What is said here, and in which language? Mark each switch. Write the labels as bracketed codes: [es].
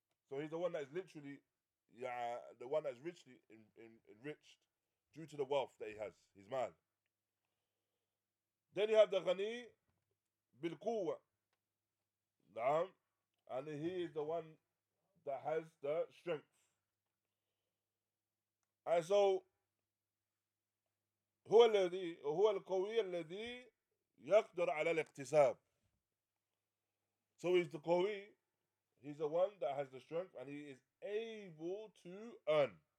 [en] So he's the one that is literally, the one that's richly enriched due to the wealth that he has, his mal. Then you have the ghani bilquwa. Naam, and he is the one that has the strength. And so, [ar] هو الذي يقدر على الاكتساب. [en] So he's the قوي, he's the one that has the strength, and he is able to earn.